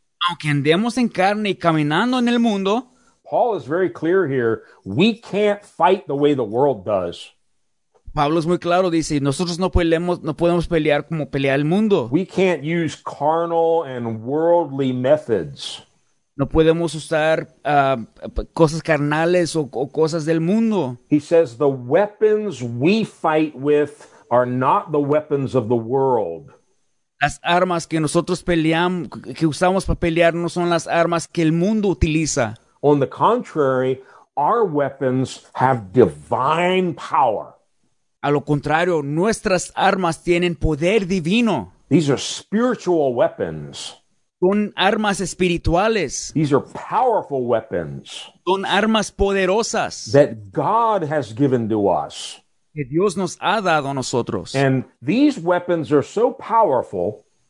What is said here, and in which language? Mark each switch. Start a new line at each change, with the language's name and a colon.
Spanish: aunque andemos en carne y caminando en el mundo,
English: Paul is very clear here, we can't fight the way the world does.
Spanish: Pablo es muy claro, dice, nosotros no podemos pelear como pelea el mundo.
English: We can't use carnal and worldly methods.
Spanish: No podemos usar cosas carnales o cosas del mundo.
English: He says the weapons we fight with are not the weapons of the world.
Spanish: Las armas que nosotros peleamos, que usamos para pelear, no son las armas que el mundo utiliza.
English: On the contrary, our weapons have divine power.
Spanish: A lo contrario, nuestras armas tienen poder divino.
English: These are spiritual weapons.
Spanish: Son armas espirituales.
English: These are powerful weapons.
Spanish: Son armas poderosas.
English: That God has given to us.
Spanish: Que Dios nos ha dado a nosotros.
English: And these weapons are so powerful.